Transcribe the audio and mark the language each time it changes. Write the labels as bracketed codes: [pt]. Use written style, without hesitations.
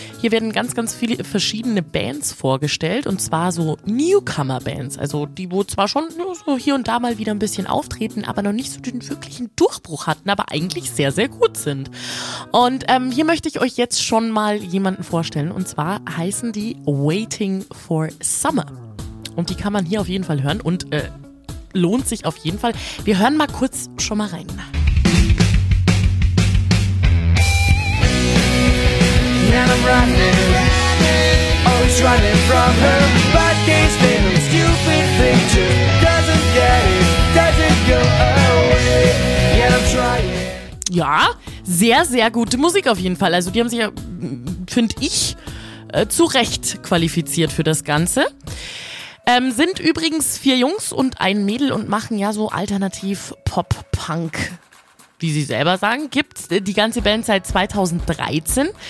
[de] Hier werden ganz, ganz viele verschiedene Bands vorgestellt und zwar so Newcomer-Bands, also die, wo zwar schon so hier und da mal wieder ein bisschen auftreten, aber noch nicht so den wirklichen Durchbruch hatten, aber eigentlich sehr, sehr gut sind. Und hier möchte ich euch jetzt schon mal jemanden vorstellen und zwar heißen die Waiting for Summer. Und die kann man hier auf jeden Fall hören und lohnt sich auf jeden Fall. Wir hören mal kurz schon mal rein. [en] And I'm running, always running from her. But this little stupid thing too doesn't get it, doesn't go away. And I'm trying. [de] Ja, sehr, sehr gute Musik auf jeden Fall. Also die haben sich ja, finde ich, zu Recht qualifiziert für das Ganze. Sind übrigens 4 Jungs und ein Mädel und machen ja so alternativ Pop-Punk. Wie sie selber sagen, gibt die ganze Band seit 2013.